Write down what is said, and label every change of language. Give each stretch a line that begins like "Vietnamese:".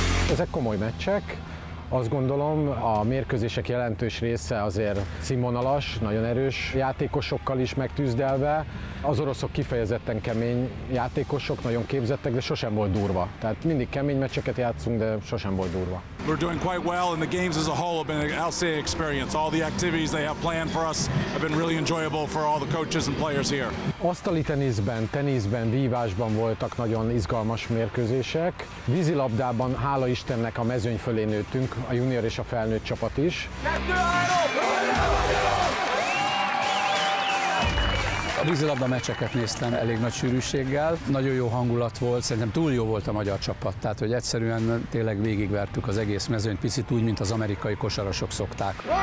Hungarian: Ezek komoly meccsek, azt gondolom a mérkőzések jelentős része azért színvonalas, nagyon erős játékosokkal is megtűzdelve. Az oroszok kifejezetten kemény játékosok, nagyon képzettek, de sosem volt durva. Tehát mindig kemény meccseket játszunk, de sosem volt durva.
English: We're doing quite well and the games as a whole have been an outstanding experience. All the activities they have planned for us have been really enjoyable for all the coaches and players here.
Hungarian: Asztali teniszben, vívásban voltak nagyon izgalmas mérkőzések. Vízilabdában hála Istennek a mezőny fölé nőttünk, a junior és a felnőtt csapat is. A vízilabda meccseket néztem elég nagy sűrűséggel, nagyon jó hangulat volt, szerintem túl jó volt a magyar csapat, tehát hogy egyszerűen tényleg végigvertük az egész mezőnyt, picit úgy, mint az amerikai kosarasok szokták.